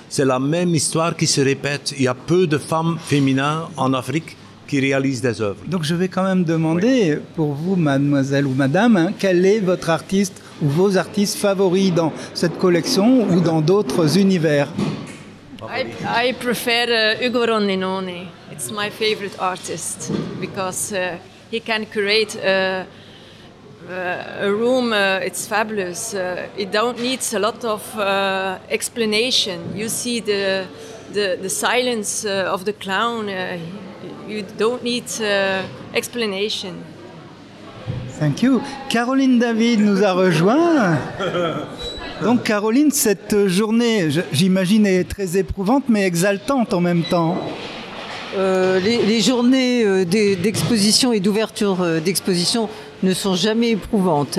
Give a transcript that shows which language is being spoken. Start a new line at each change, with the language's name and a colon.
French: C'est la même histoire qui se répète. Il y a peu de femmes féminines en Afrique qui réalisent des œuvres. Donc je vais quand même demander, oui, pour vous, mademoiselle ou madame, hein, quel est votre artiste ou vos artistes favoris dans cette collection ou dans d'autres univers?
English: I prefer Ugo Rondinone. It's my favorite artist because he can create a room. It's fabulous. It don't needs a lot of explanation. You see the silence of the clown. You don't need explanation. Thank you.
French: Caroline David nous a rejoint. Donc Caroline, cette journée, j'imagine, est très éprouvante mais exaltante en même temps. Les journées d'exposition et d'ouverture d'exposition ne sont jamais éprouvantes.